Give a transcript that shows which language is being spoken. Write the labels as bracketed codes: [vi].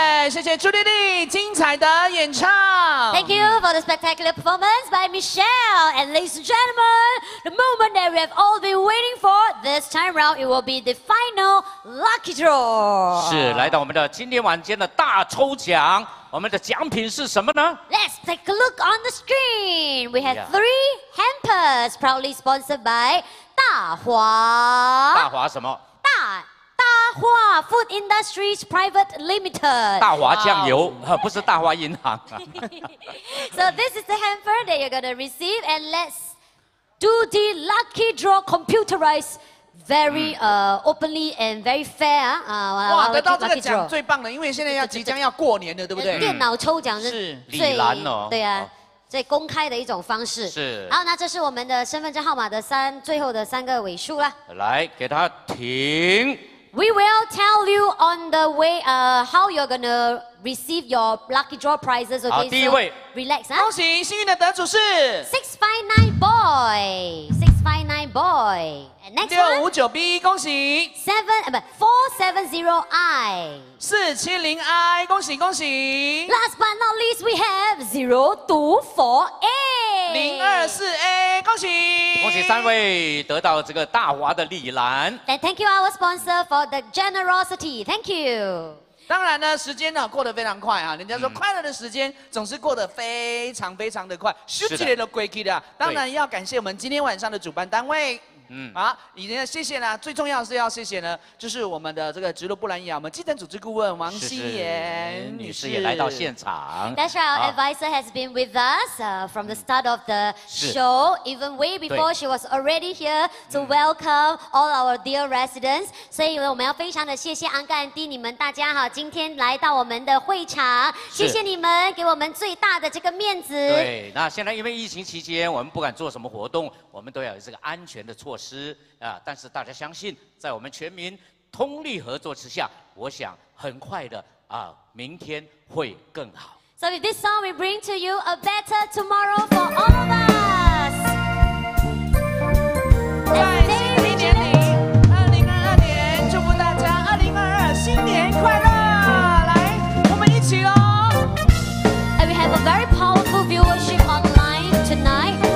[zh] 谢谢朱莉莉精彩的演唱。 [en] Thank you for the spectacular performance by Michelle. And ladies and gentlemen, the moment that we have all been waiting for, this time round it will be the final lucky draw. [zh] 是，来到我们的今天晚间的大抽奖，我们的奖品是什么呢？ [en] Let's take a look on the screen. We have three hampers proudly sponsored by 大华。 [zh] 大华什么？ [en] 大华 Food Industries Private Limited. [zh] 大华酱油、wow. 不是大华银行。 [en] So this is the hamper that you're going to receive, and let's do the lucky draw computerized very openly and very fair. [zh] 哇，得到这个奖最棒了，因为现在要即将要过年了，对不对？电脑抽奖是最李兰哦，对啊。最公开的一种方式是。好，那这是我们的身份证号码的最后的三个尾数啦。来，给它停。 [en] We will tell you on the way, how you're gonna receive your lucky draw prizes. Okay, [zh] 好，第一位。 [en] So、relax 啊。 [zh] 恭喜幸运的得主是 [en] 659boy. And next one. [zh] 659b, 恭喜。 [en] 470i. [zh] 470i, 恭喜。 [en] Last but not least, we have 024a. [zh] 024a, 恭喜。恭喜三位得到这个大华的礼篮。 [en] And thank you our sponsor for the generosity. Thank you. [zh] 当然呢，时间呢过得非常快啊！人家说快乐的时间总是过得非常非常的快，咻起来都归去的。当然要感谢我们今天晚上的主办单位，好，已经谢谢啦。最重要是要谢谢呢，就是我们的这个植入不然雅，我们基层组织顾问王希妍女士也来到现场。 [en] That's why our advisor has been with us from the start of the show, even way before she was already here to welcome all our dear residents. [zh] 所以我们要非常的谢谢安哥安弟你们大家哈，今天来到我们的会场，谢谢你们给我们最大的这个面子。对，那现在因为疫情期间，我们不敢做什么活动，我们都要有这个安全的措施啊，但是大家相信，在我们全民通力合作之下，我想很快的啊，明天会更好。 [en] So with this song, we bring to you a better tomorrow for all of us. [zh] 在新的一年里，2022年，祝福大家2022新年快乐！来，我们一起哦。 [en] And we have a very powerful viewership online tonight.